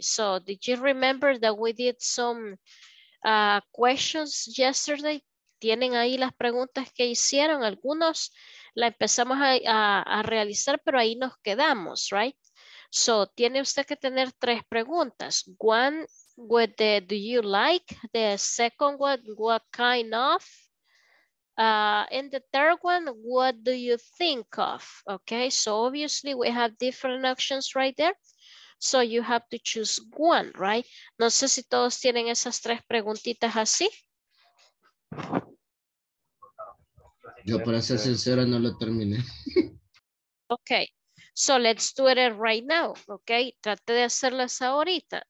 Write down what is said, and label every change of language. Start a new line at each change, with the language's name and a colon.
English: So did you remember that we did some questions yesterday?
Spanish: ¿Tienen ahí las preguntas que hicieron? Algunos la empezamos a realizar, pero ahí nos quedamos, right? So tiene usted que tener tres preguntas.
English: One with the do you like, the second one, what kind of, and the third one, what do you think of? Okay, so obviously we have different options right there. So you have to choose one, right?
Spanish: No sé si todos tienen esas tres preguntitas así. Yo, para ser sincero, no lo terminé.
English: Okay, so let's do it right now, okay?
Spanish: Trate de hacerlas ahorita.